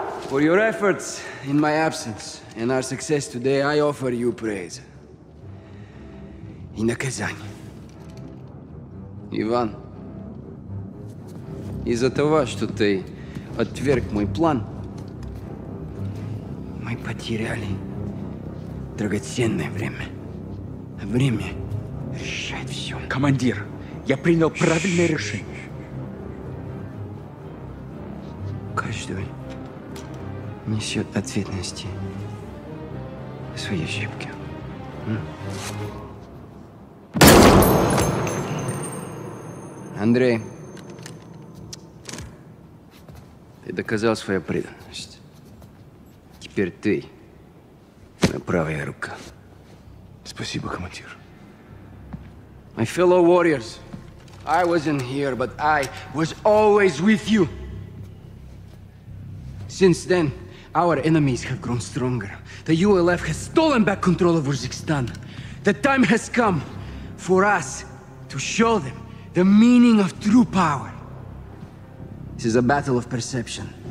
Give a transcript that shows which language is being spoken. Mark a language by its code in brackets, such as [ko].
[en] For your efforts in my absence and our success today, I offer you praise. [ru] И наказание. Иван, из-за того, что ты отверг мой план, мы потеряли драгоценное время. Время решает все. Командир, я принял правильное решение. Каждый несет ответственности за свои ошибки. Андрей, ты доказал свою преданность. Теперь ты моя правая рука. Спасибо, командир. [en] My fellow warriors, I wasn't here, but I was always with you. Since then, our enemies have grown stronger. The ULF has stolen back control of Uzbekistan. The time has come for us to show them the meaning of true power. This is a battle of perception.